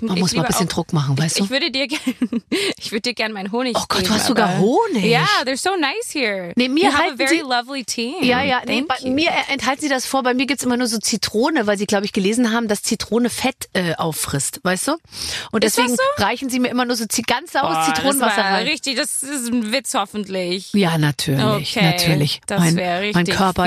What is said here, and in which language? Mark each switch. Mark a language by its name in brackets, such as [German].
[German] Man muss mal ein bisschen Druck machen, weißt du? Ich würde dir gerne meinen Honig geben. Oh Gott, geben, du hast sogar Honig. [English] Ja, yeah, they're so nice here. [German] Nee, mir [English] you have a very lovely team. [German] Ja, ja. Nee, bei mir enthalten sie das vor. Bei mir gibt es immer nur so Zitrone, weil sie, glaube ich, gelesen haben, dass Zitrone Fett auffrisst, weißt du? Und deswegen reichen sie mir immer nur so ganz saures Zitronenwasser rein. Richtig, das ist ein Witz hoffentlich. Ja, natürlich. Okay. Natürlich. Das wäre richtig Mein Körper